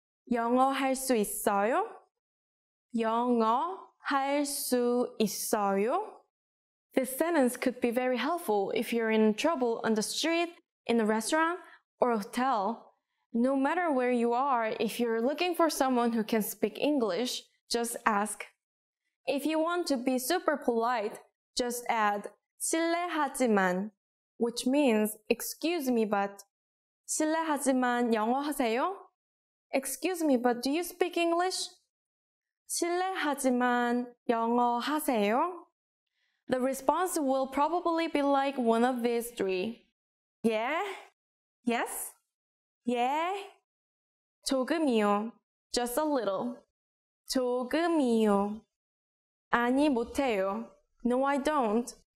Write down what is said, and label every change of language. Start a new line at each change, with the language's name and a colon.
Korean: 영어 할 수 있어요? 영어 할 수 있어요?
English: This sentence could be very helpful if you're in trouble on the street, in a restaurant, or a hotel. No matter where you are, if you're looking for someone who can speak English, just ask. If you want to be super polite, just add 실례하지만, which means excuse me but.
Korean: 실례하지만 영어 하세요?
English: Excuse me, but do you speak English?
Korean: 실례하지만 영어 하세요?
English: The response will probably be like one of these three. 예? Yes? 예?
Korean: 조금이요.
English: Just a little.
Korean: 조금이요. 아니 못해요.
English: No, I don't.